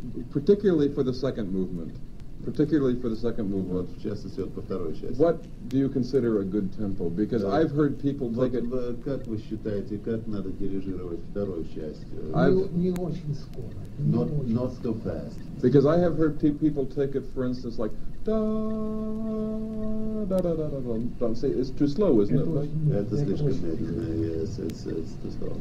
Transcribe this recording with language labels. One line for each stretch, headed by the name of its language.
English: Particularly for the second movement.
Russian: В частности, вот по второй части.
English: What do you consider a good tempo? Because I've heard people take it...
Russian: Как вы считаете, как надо дирижировать вторую часть? Не очень скоро.
English: Not so fast. Because I have heard people take it, for instance, like... It's too slow, isn't it?
Russian: Это слишком медленно.
English: Yes, it's too slow.